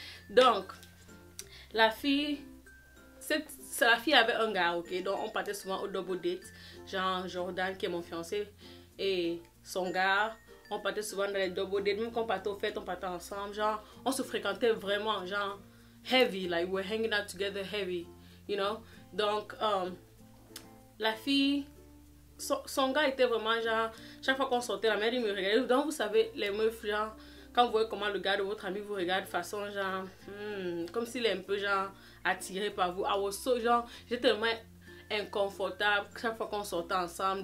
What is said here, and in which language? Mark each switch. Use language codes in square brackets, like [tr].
[fr] Donc, la fille, c'est la fille avait un gars, ok? Donc, on partait souvent au double date. Genre, Jordan, qui est mon fiancé, et son gars, on partait souvent dans les double dates. Même quand on partait aux fêtes, on partait ensemble. Genre, on se fréquentait vraiment, genre. [en] Heavy, like we're hanging out together heavy, you know. [fr] Donc la fille, son gars était vraiment genre, chaque fois qu'on sortait, la mère il me regardait. Donc vous savez, les meufs, genre, quand vous voyez comment le gars de votre ami vous regarde de façon genre comme s'il est un peu genre attiré par vous. Ah, so, genre, j'étais tellement inconfortable chaque fois qu'on sortait ensemble.